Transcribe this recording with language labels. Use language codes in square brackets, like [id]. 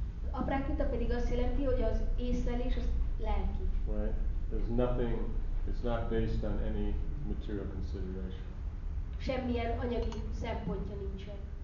[hu] Aprakrita pedig azt jelenti, hogy az észlelés az lelki. [en] Right? There's nothing, it's not based on any material consideration. [hu] Semmilyen anyagi szempontja nincsen.